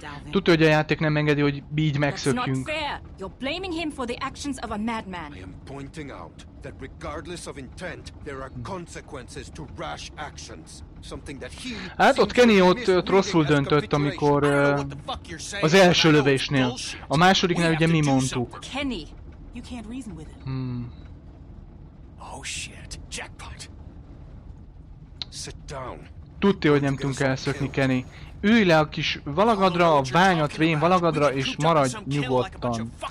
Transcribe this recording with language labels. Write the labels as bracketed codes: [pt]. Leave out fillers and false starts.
[hu] Tudja, hogy a játék nem engedi, hogy így megszökjünk. [en] You're blaming him for the actions of a madman. I am pointing out that regardless of intent, there are consequences to rash actions. Something that he. [hu] Hát ott Kenny ott rosszul döntött, amikor az első lövésnél, a másodiknál ugye mi mondtuk. [en] Kenny, you can't reason with him. Oh shit, jackpot. Sit down. [hu] Tudja, hogy nem tudunk elszökni, Kenny. Ülj le a kis valagadra, a bányat vén valagadra, és maradj nyugodtan.